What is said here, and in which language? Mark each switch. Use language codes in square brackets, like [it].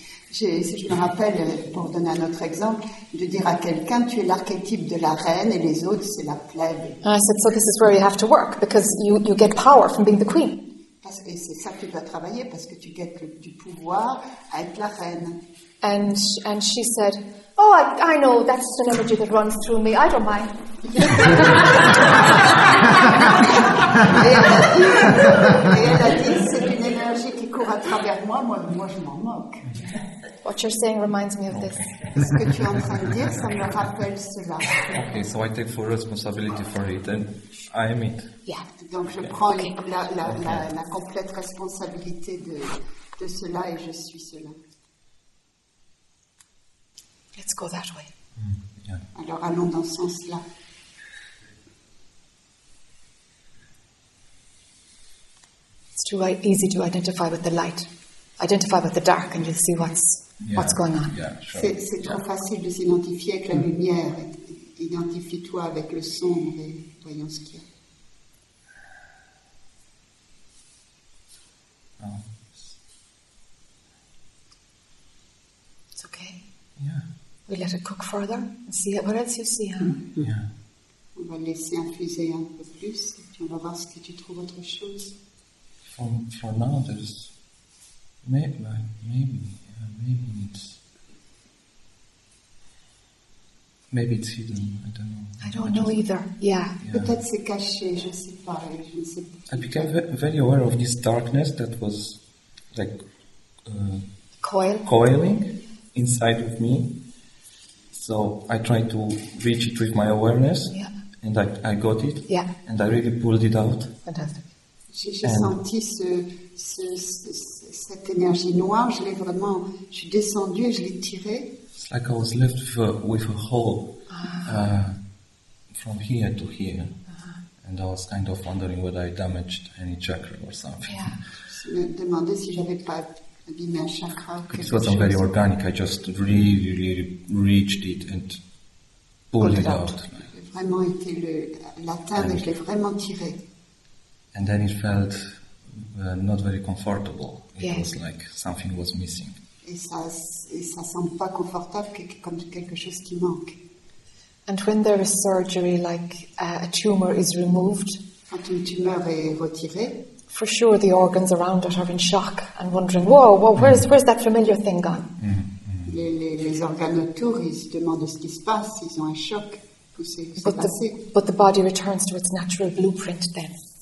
[fr] Je me rappelle, pour donner un autre exemple, de dire à quelqu'un, tu es l'archétype de la reine et les autres, c'est la plèbe. [en] And I said, so this is where you have to work, because you get power from being the queen. [fr] Et c'est ça que tu dois travailler, parce que tu gagnes du pouvoir à être la reine. [en] And she said, oh, I know, that's just an energy that runs through me, I don't mind. [fr] et elle a dit, c'est une énergie qui court à travers moi, je m'en moque. [en] What you're saying reminds me of this. Okay, so I take full responsibility for it, and I am it. Yeah. [fr] Donc je prends la complète responsabilité de cela et je suis cela. [en] Let's go that way. [fr] Yeah. Alors allons dans ce sens-là. [en] It's too easy to identify with the light. Identify with the dark, and you'll see what's. Yeah. What's going on? [fr] C'est trop facile de s'identifier avec la lumière. Identifie-toi avec le sombre et voyons ce qu'il y a. [en] It's okay. Yeah. We let it cook further and see what else you see. Huh? Yeah. [fr] On va laisser infuser un peu plus et puis on va voir ce que tu trouves autre chose. [en] For now, there's maybe it's hidden. I don't know either. Yeah. [fr] Peut-être c'est caché. Je ne sais pas. [en] I became very aware of this darkness that was like coiling inside of me. So I tried to reach it with my awareness. Yeah. And I got it. Yeah. And I really pulled it out. Fantastic. [fr] J'ai senti cette énergie noire, je l'ai vraiment. Je suis descendue et je l'ai tirée. [en] It's like I was left with a hole from here to here. Uh-huh. And I was kind of wondering whether I damaged any chakra or something. Yeah. [fr] Je me demandais si j'avais pas abîmé un chakra. [en] It wasn't very organic. I just really, really reached it and pulled it out. [fr] J'ai vraiment été l'atteindre et je l'ai vraiment tiré. [en] And then it felt. Not very comfortable. It was like something was missing. [fr] Et ça semble pas confortable, comme quelque chose qui manque. [en] And when there is surgery, like a tumor is removed, [fr] quand une tumeur est retirée, [en] for sure the organs around it are in shock and wondering, whoa, where's that familiar thing gone? Mm-hmm. [fr] Les organes autour, ils se demandent ce qui se passe, ils ont un choc. [en] But the body returns to its natural blueprint then.